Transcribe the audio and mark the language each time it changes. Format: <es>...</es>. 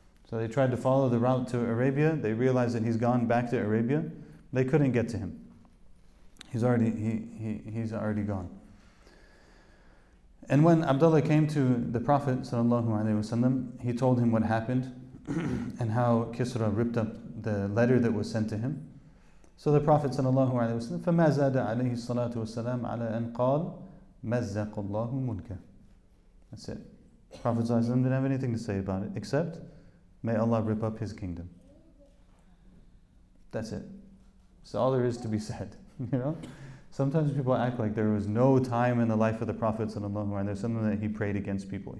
<en>So they tried to follow the route to Arabia. They realized that he's gone back to Arabia. They couldn't get to him. He's already gone. And when Abdullah came to the Prophet sallallahu alaihi wasallam, he told him what happened and how Kisra ripped up the letter that was sent to him. So the Prophet</en> <ar>sallallahu alaihi wasallam, فَمَا زَادَ عَلَيْهِ الصَّلَاةُ وَالسَّلَامُ عَلَىٰ أَنْ قَالْ مَزَّقُ اللَّهُ مُنْكَ.</ar> <en>That's it. The Prophet sallallahu alaihi wasallam didn't have anything to say about it except, may Allah rip up his kingdom. That's it. So all there is to be said. You know, sometimes people act like there was no time in the life of the Prophet sallallahu alaihi wasallam something that he prayed against people.</en>